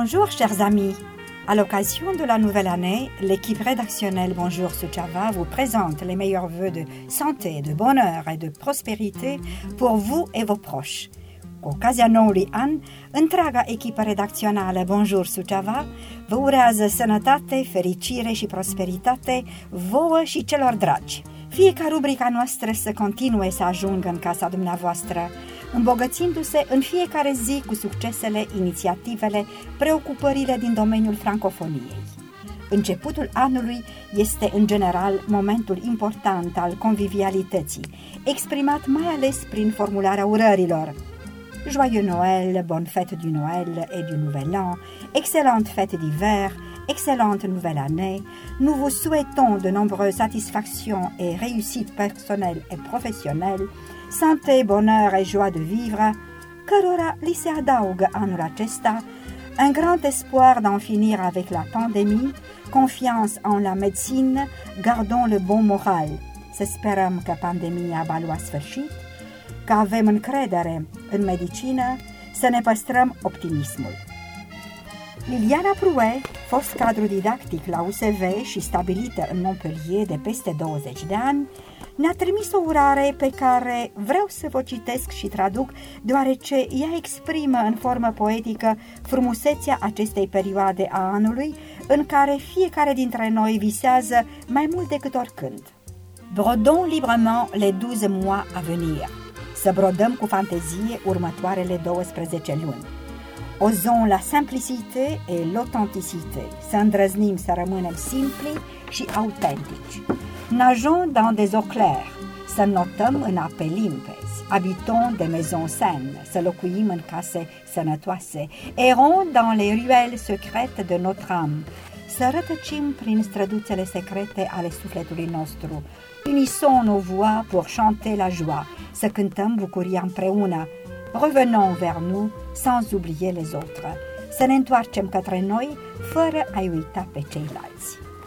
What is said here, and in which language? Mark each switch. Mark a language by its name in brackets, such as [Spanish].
[French] Chers amis, à l'occasion de la nouvelle année, l'équipe rédactionnelle Bonjour Suceava vous présente les meilleurs vœux de santé, de bonheur et de prospérité pour vous et vos proches. [Romanian] Ocazia noului an, întreaga echipă redacțională Bonjour Suceava vă urează sănătate, fericire și prosperitate vouă și celor dragi. Fie ca rubrica noastră să continue să ajungă în casa dumneavoastră, îmbogățindu-se în fiecare zi cu succesele, inițiativele, preocupările din domeniul francofoniei. Începutul anului este, în general, momentul important al convivialității, exprimat mai ales prin formularea urărilor. [French] Joyeux Noël, bonne fête du Noël et du Nouvel An, excellente fête d'hiver, excellente nouvelle année, nous vous souhaitons de nombreuses satisfactions et réussites personnelles et professionnelles, santé, bonheur et joie de vivre, [Romanian] cărora li se adaugă anul acesta, [French] un grand espoir d'en finir avec la pandémie, confiance en la médecine, gardons le bon moral. [Romanian] S'esperăm că pandemia va lua sfârșit, că avem încredere în medicină, să ne păstrăm optimismul. Liliana Prouet, fost cadru didactic la USV și stabilită în Montpellier de peste 20 de ani, ne-a trimis o urare pe care vreau să vă citesc și traduc, deoarece ea exprimă în formă poetică frumusețea acestei perioade a anului, în care fiecare dintre noi visează mai mult decât oricând. [French] Brodons librement les 12 mois à venir. [Romanian] Să brodăm cu fantezie următoarele 12 luni. [French] Osons la simplicité et l'authenticité. [Romanian] Să îndrăznim să rămânem simpli și autentici. [French] Nageons dans des eaux claires, [Romanian] să notăm în ape limpezi, [French] habitons des maisons saines, [Romanian] să locuim în case sănătoase, [French] errons dans les ruelles secrètes de notre âme, [Romanian] să rătăcim prin străduțele secrete ale sufletului nostru, [French] unissons nos voix pour chanter la joie, [Romanian] să cântăm bucuria împreună, [French] revenons vers nous sans oublier les autres, [Romanian] să ne întoarcem către noi fără a-i uita pe ceilalți.